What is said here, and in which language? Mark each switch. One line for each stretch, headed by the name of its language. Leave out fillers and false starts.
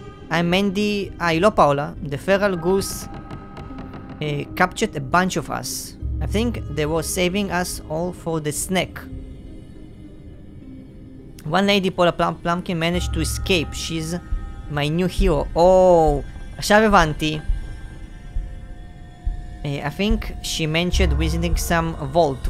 English: I'm Mandy, היא לא פאולה, the feral goose captured a bunch of us. I think they were saving us all for the snack. One lady, פולה פלמקין, managed to escape. She's my new hero.
Hebrew: Oh, עכשיו הבנתי.
English: I think she mentioned visiting some vault.